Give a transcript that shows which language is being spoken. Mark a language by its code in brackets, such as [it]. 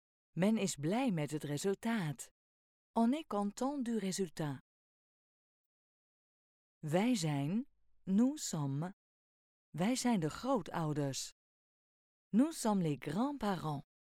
[nl] Men is blij met het resultaat. [fr] On est content du résultat. [nl] Wij zijn. [fr] Nous sommes. [nl] Wij zijn de grootouders. [fr] Nous sommes les grands-parents.